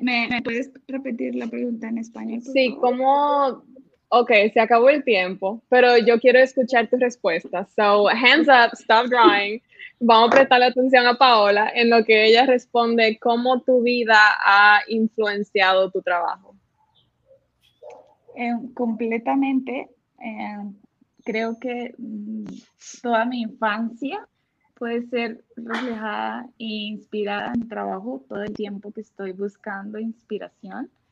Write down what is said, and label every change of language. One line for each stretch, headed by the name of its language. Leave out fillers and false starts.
Spanish: ¿Me puedes repetir la pregunta en español? Sí, ¿cómo...? Okay, se acabó el tiempo, pero yo quiero escuchar tu respuesta.
English: So, hands up, stop drawing.
Spanish: Vamos a prestarle atención a Paola en lo que ella responde, ¿cómo tu vida ha influenciado tu trabajo? Completamente. Creo que toda mi infancia puede ser reflejada e inspirada en mi trabajo todo el tiempo que estoy buscando inspiración.